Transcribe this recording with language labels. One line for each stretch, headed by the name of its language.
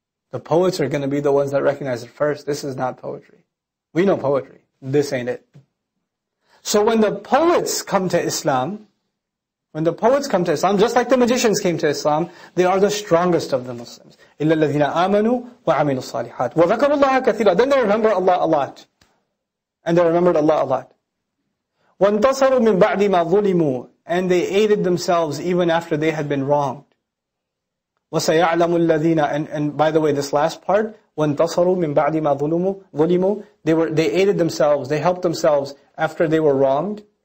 English: The poets are going to be the ones that recognize it first. This is not poetry. We know poetry. This ain't it. So when the poets come to Islam, just like the magicians came to Islam, they are the strongest of the Muslims.
Arabic: إِلَّا الَّذِينَ آمَنُوا وَعَمِلُوا الصَّالِحَاتِ وَذَكَرُوا اللَّهَ كَثِيرًا
English: Then they remember Allah a lot. And they remembered Allah a lot.
Arabic: وَانْتَصَرُوا مِنْ بَعْدِ مَا ظُلِمُوا
English: And they aided themselves even after they had been wronged.
Arabic: وَسَيَعْلَمُ الَّذِينَ
English: And by the way, this last part,
Arabic: وَانْتَصَرُوا مِنْ بَعْدِ مَا ظُلِمُوا
English: They aided themselves, they helped themselves after they were wronged.